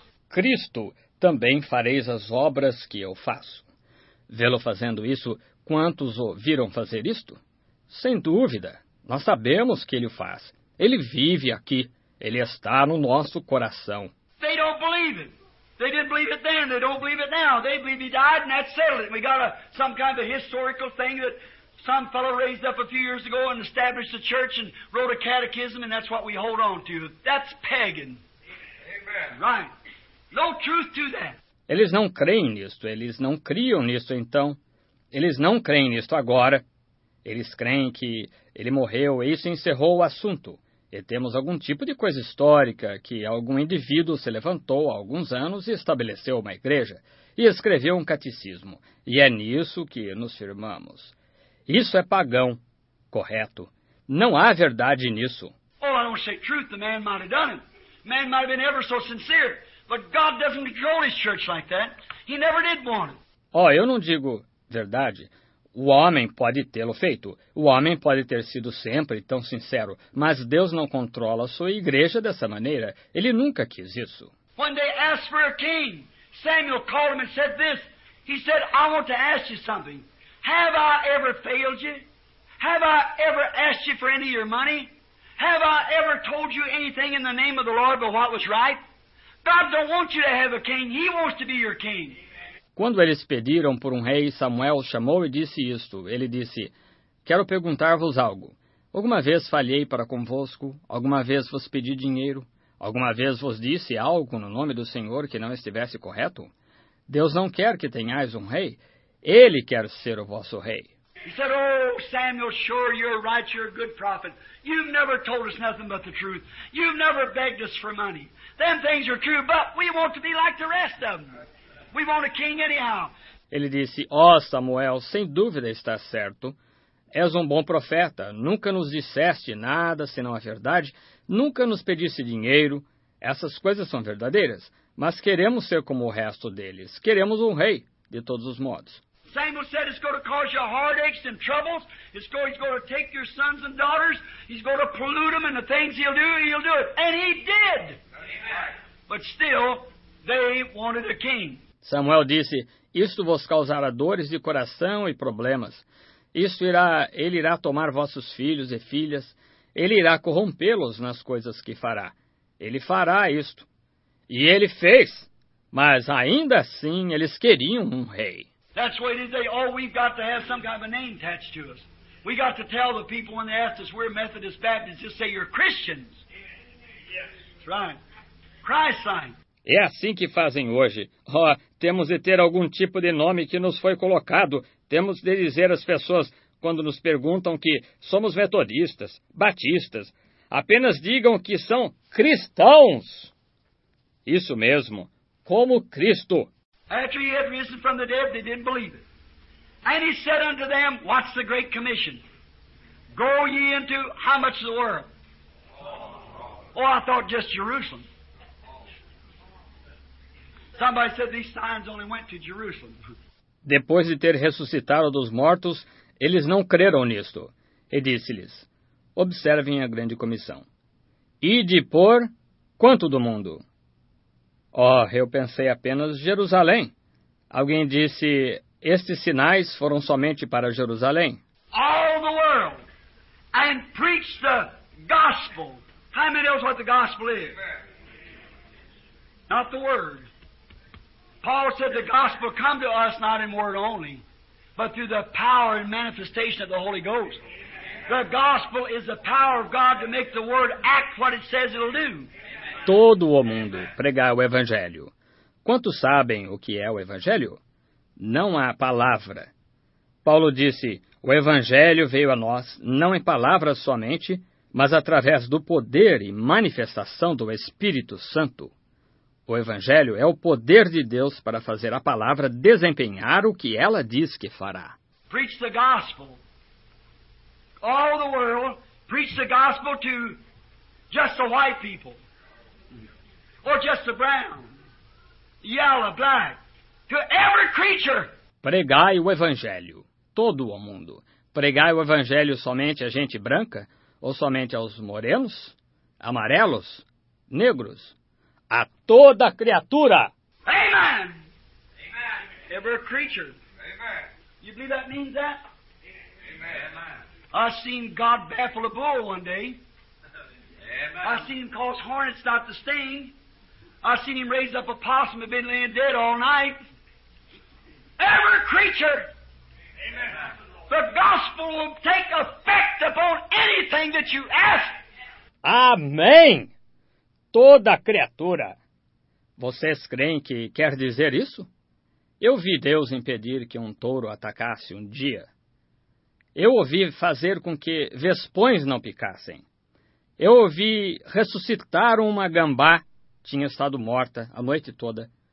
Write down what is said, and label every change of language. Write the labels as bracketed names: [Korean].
[Portuguese] Cristo, também fareis as obras que eu faço. Vê-lo fazendo isso, quantos o viram fazer isto? Sem dúvida, nós sabemos que ele o faz. Ele vive aqui, ele está no nosso coração. [English] They don't believe it. They didn't believe it then, they don't believe it now. They believe he died and that settled it. We got some kind of a historical thing that some fellow raised up a few years ago and established a church and wrote a catechism, and that's what we hold on to. That's pagan. Amen. Right. No truth to that. [Portuguese] Eles não creem nisto. Eles não criam nisto, então. Eles não creem nisto agora. Eles creem que ele morreu e isso encerrou o assunto. E temos algum tipo de coisa histórica que algum indivíduo se levantou há alguns anos e estabeleceu uma igreja e escreveu um catecismo. E é nisso que nos firmamos. Isso é pagão, correto. Não há verdade nisso. [English] Oh, I don't say truth. The man might have done it. Man might have been ever so sincere. But God doesn't control his church like that. He never did want it. [Portuguese] Oh, eu não digo verdade. O homem pode tê-lo feito. O homem pode ter sido sempre tão sincero. Mas Deus não controla a sua igreja dessa maneira. Ele nunca quis isso. [English] When they asked for a king, Samuel called him and said this. He said, I want to ask you something. Have I ever failed you? Have I ever asked you for any of your money? Have I ever told you anything in the name of the Lord but what was right? God don't want you to have a king. He wants to be your king. [Portuguese] Quando eles pediram por um rei, Samuel chamou e disse isto. Ele disse, quero perguntar-vos algo. Alguma vez falhei para convosco? Alguma vez vos pedi dinheiro? Alguma vez vos disse algo no nome do Senhor que não estivesse correto? Deus não quer que tenhais um rei. Ele quer ser o vosso rei. [English] He said, oh, Samuel, sure, you're right, you're a good prophet. You've never told us nothing but the truth. You've never begged us for money. Them things are true, but we want to be like the rest of them. We want a king anyhow. [Portuguese] Ele disse, oh, Samuel, sem dúvida está certo. És um bom profeta. Nunca nos disseste nada senão a verdade. Nunca nos pediste dinheiro. Essas coisas são verdadeiras. Mas queremos ser como o resto deles. Queremos um rei, de todos os modos. [English] Samuel said it's going to cause you heartaches and troubles. It's going to take your sons and daughters. He's going to pollute them and the things he'll do it. And he did. But still, they wanted a king. [Portuguese] Samuel disse, isto vos causará dores de coração e problemas. Isto irá, ele irá tomar vossos filhos e filhas. Ele irá corrompê-los nas coisas que fará. Ele fará isto. E ele fez. Mas ainda assim, eles queriam um rei. [English] That's what it is. They, oh, we've got to have some kind of a name attached to us. We got to tell the people when they ask us, we're Methodist Baptists, just say you're Christians. Yes. That's right. Christ sign. [Portuguese] É assim que fazem hoje. Oh, temos de ter algum tipo de nome que nos foi colocado. Temos de dizer às pessoas, quando nos perguntam, que somos metodistas, batistas. Apenas digam que são cristãos. Isso mesmo, como Cristo. [English] After he had risen from the dead, they didn't believe it. And he said unto them, what's the great commission? Go ye into how much of the world? Oh, I thought just Jerusalem. Somebody said these signs only went to Jerusalem. [Portuguese] Depois de ter ressuscitado dos mortos, eles não creram nisto. E disse-lhes, observem a grande comissão. Ide por quanto do mundo? Oh, eu pensei apenas Jerusalém. Alguém disse, estes sinais foram somente para Jerusalém. [English] All the world. And preach the gospel. How many knows what the gospel is? Not the word. Paul said the gospel come to us not in word only, but through the power and manifestation of the Holy Ghost. The gospel is the power of God to make the word act what it says it'll do. [Portuguese] Todo o mundo pregar o Evangelho. Quantos sabem o que é o Evangelho? Não há palavra. Paulo disse, o Evangelho veio a nós, não em palavras somente, mas através do poder e manifestação do Espírito Santo. O Evangelho é o poder de Deus para fazer a palavra desempenhar o que ela diz que fará. [English] Preach the gospel. All the world, preach the gospel to just the white people. Or just the brown, yellow, black, to every creature. [Portuguese] Pregai o Evangelho, todo o mundo. Pregai o Evangelho somente a gente branca, ou somente aos morenos, amarelos, negros, a toda criatura. [English] Amen! Amen. Every creature. Amen. You believe that means that? Amen. I seen God baffle a bull one day. Amen. I seen him cause hornets not to sting. I seen him raise up a possum that been laying dead all night. Every creature. Amen. The gospel will take effect upon anything that you ask. [Portuguese] Amém! Toda criatura. Vocês creem que quer dizer isso? Eu vi Deus impedir que um touro atacasse um dia. Eu ouvi fazer com que vespões não picassem. Eu ouvi ressuscitar uma gambá. Tinha estado morta a noite toda.